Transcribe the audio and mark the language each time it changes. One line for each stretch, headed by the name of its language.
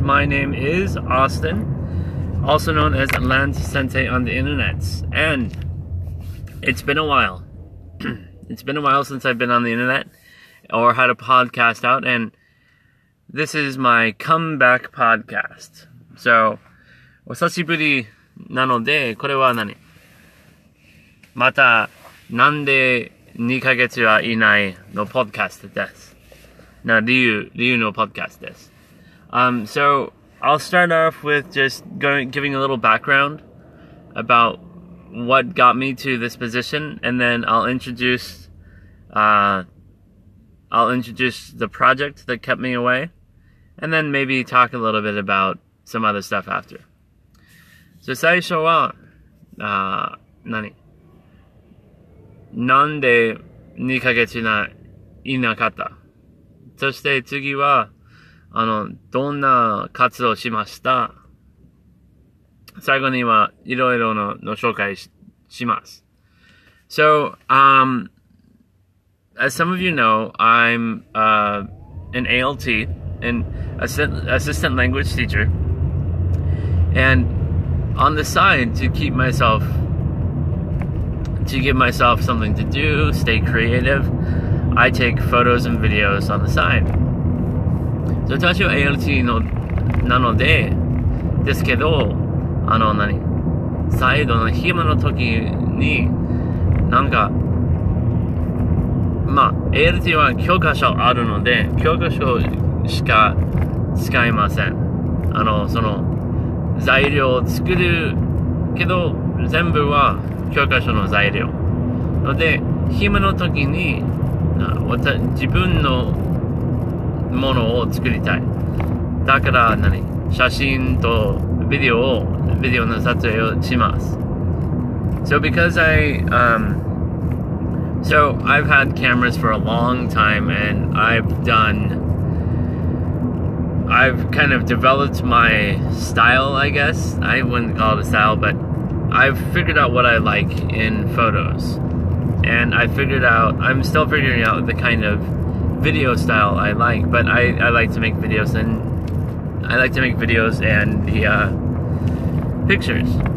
English: My name is Austin, also known as Lance Sente on the internet. And it's been a while. It's been a while since I've been on the internet or had a podcast out, and this is my comeback podcast.
Japanese: So, お久しぶりなので、これは何? また、なんで2ヶ月はいないのポッドキャストです。な、理由のポッドキャストです。
English: So, I'll start off with just giving a little background about what got me to this position, and then I'll introduce the project that kept me away, and then maybe talk a little bit about some other stuff after.
Japanese: So, 最初は、何? なんで2ヶ月ないなかった? そして次は、どんな活動しました? 最後にはいろいろの、紹介 します。
English: So, as some of you know, I'm, an ALT, an assistant language teacher. And on the side to keep myself to give myself something to do, stay creative, I take photos and videos on the side.
Japanese: So, 私は ALT なのでですけど、何サイドの暇の時に、なんか、まあ、ALT は教科書あるので、教科書しか使いません。その、材料を作るけど、全部は、教科書の材料。ので、暇の時に、自分のものを作りたい。だから、何? 写真とビデオを、ビデオの撮影をします。
English: So, because I, So, I've had cameras for a long time, and I've kind of developed my style, I guess. I wouldn't call it a style, but I've figured out what I like in photos, and I'm still figuring out the kind of video style I like, but I like to make videos, and I like to make videos and the pictures.